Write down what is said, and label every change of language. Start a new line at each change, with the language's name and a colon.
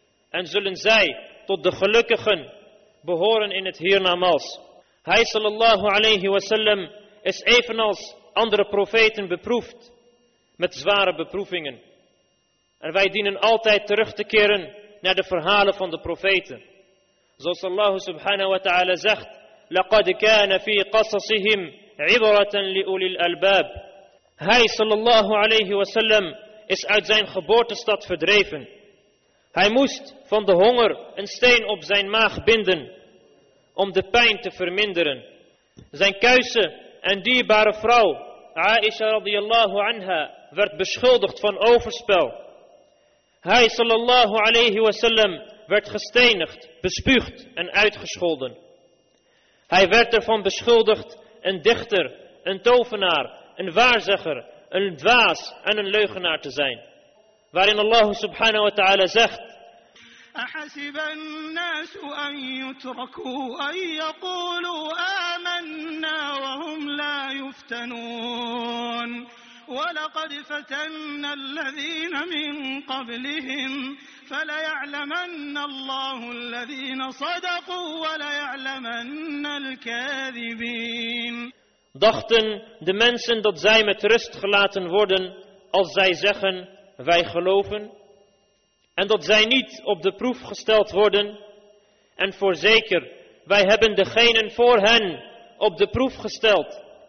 Dutch: En zullen zij tot de gelukkigen behoren in het hiernamaals. Hij, sallallahu alayhi wa sallam, is evenals andere profeten beproefd met zware beproevingen. En wij dienen altijd terug te keren naar de verhalen van de profeten. Zoals Allah subhanahu wa ta'ala zegt:
Arabic: لَقَدْ كَانَ فِي قَصَصِهِمْ عِبْرَةً لِأُولِي الْأَلْبَابِ.
Dutch: Hij, sallallahu alayhi wa sallam, is uit zijn geboortestad verdreven. Hij moest van de honger een steen op zijn maag binden om de pijn te verminderen. Zijn kuisen en dierbare vrouw, Aisha radiyallahu anha, werd beschuldigd van overspel. Hij, sallallahu alayhi wa sallam, werd gestenigd, bespuugd en uitgescholden. Hij werd ervan beschuldigd een dichter, een tovenaar, een waarzegger, een dwaas en een leugenaar te zijn. Waarin Allah subhanahu wa ta'ala zegt:
Arabic: أحسب الناس أن يتركوا أن يقولوا آمنا وهم لا يفتنون ولقد فتنا الذين من قبلهم فليعلمن الله الذين صدقوا وليعلمن الكاذبين.
Dutch: Dachten de mensen dat zij met rust gelaten worden als zij zeggen: wij geloven? En dat zij niet op de proef gesteld worden. En voorzeker, wij hebben degenen voor hen op de proef gesteld.